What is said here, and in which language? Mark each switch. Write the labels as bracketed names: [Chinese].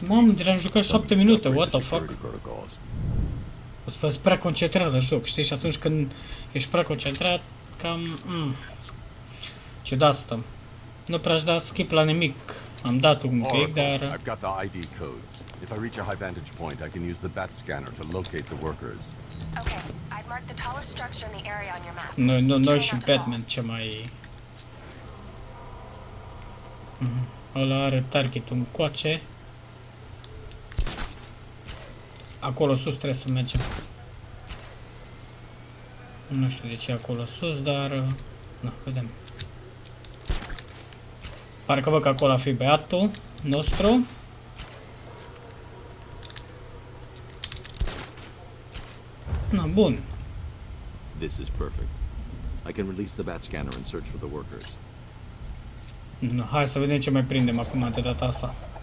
[Romanian] Mamă, deja am jucat 7 minute, [English] what the fuck? [Romanian] O să fie prea concentrat la joc, știi? Și atunci când ești prea concentrat, cam... Ce de asta? Nu prea aș da skip la nimic. Am dat un pic, dar... [English] I've got the ID codes. If I reach a high vantage point, I can use the bat scanner to locate the workers. Okay, I've marked the tallest structure in the area on your map. No, no, no, [Romanian] și Batman ce mai... Ăla are target un coace. Acolo sus trebuie să mergem. Nu știu de ce acolo sus, dar... Na, vedem. Parcă văd că acolo a fi băiatul nostru. Na, bun. [English] This is perfect. I can release the bat scanner and search for the workers. [Romanian] Na, hai să vedem ce mai prindem acum de data asta.